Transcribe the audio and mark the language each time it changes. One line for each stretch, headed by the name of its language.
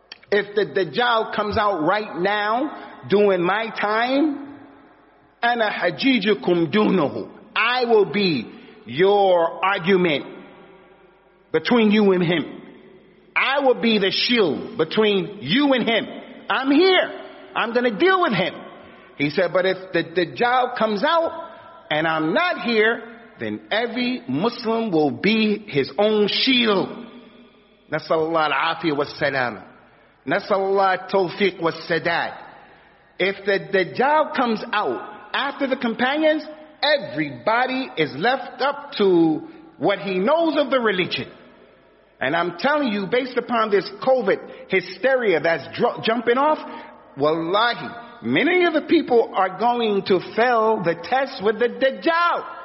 English: If the Dajjal comes out right now, during my time,
Arabic: أَنَا حَجِيجُكُمْ دُونَهُ,
English: I will be your argument between you and him. I will be the shield between you and him. I'm here. I'm going to deal with him. He said, but if the Dajjal comes out and I'm not here, then every Muslim will be his own shield.
Arabic: نسأل الله العافية والسلام. نسأل الله التوفيق والسداد.
English: If the Dajjal comes out after the companions, everybody is left up to what he knows of the religion. And I'm telling you, based upon this COVID hysteria that's jumping off, wallahi, many of the people are going to fail the test with the Dajjal.